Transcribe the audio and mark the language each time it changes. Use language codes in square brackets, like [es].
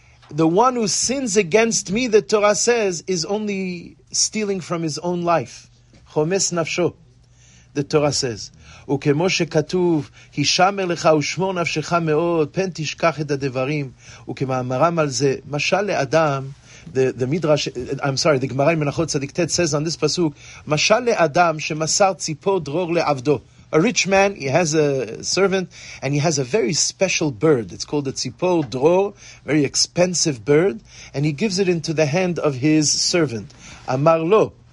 [en] The one who sins against me, the Torah says, is only stealing from his own life. Chomes Nafsho. The Torah says. [he] וכמו שכתוב, הישמר לך ושמור נפשך מאוד, פן תשכח את הדברים. וכמאמרם על זה, משל לאדם, [en] the midrash, I'm sorry, the Gemara in Menachot Tzadik Tet says on this pasuk, [he] משל לאדם שמסר ציפור דרור לעבדו. [en] A rich man, he has a servant, and he has a very special bird. It's called a tzipor dror, very expensive bird, and he gives it into the hand of his servant. Amar lo.